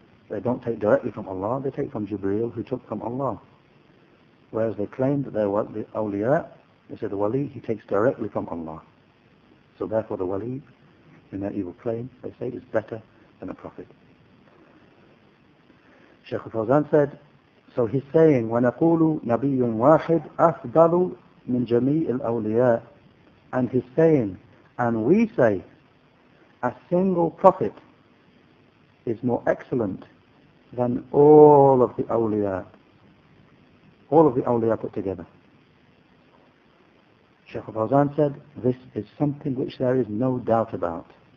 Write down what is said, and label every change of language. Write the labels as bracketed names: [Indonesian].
[English] They don't take directly from Allah, they take from Jibreel, who took from Allah. Whereas they claim that they were the awliya, they say the wali, he takes directly from Allah. So therefore the wali, in their evil claim, they say, is better than a prophet. Shaykh al-Fawzan said, so he's saying, [Arabic] وَنَقُولُ نَبِيٌ وَاحِدٌ أَفْضَلُ مِنْ جَمِيعِ الْأَوْلِيَاءِ. [English] And he's saying, and we say, a single prophet is more excellent than all of the awliya, all of the awliya put together. Shaykh al-Fawzan said, this is something which there is no doubt about.